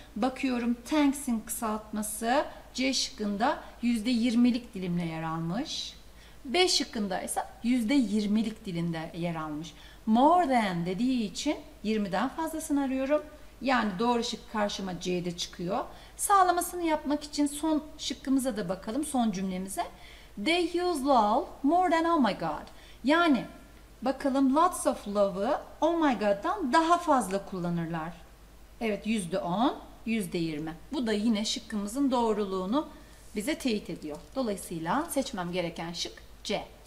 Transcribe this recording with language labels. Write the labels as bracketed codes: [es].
[tr] Bakıyorum thanks'in kısaltması C şıkkında %20'lik dilimle yer almış. B şıkkında ise %20'lik dilinde yer almış. [en] More than [tr] dediği için 20'den fazlasını arıyorum. Yani doğru şık karşıma C'de çıkıyor. Sağlamasını yapmak için son şıkkımıza da bakalım, son cümlemize. [en] They use love more than oh my god. [tr] Yani bakalım [en] lots of love'ı oh my god'dan [tr] daha fazla kullanırlar. Evet %10, %20. Bu da yine şıkkımızın doğruluğunu bize teyit ediyor. Dolayısıyla seçmem gereken şık C.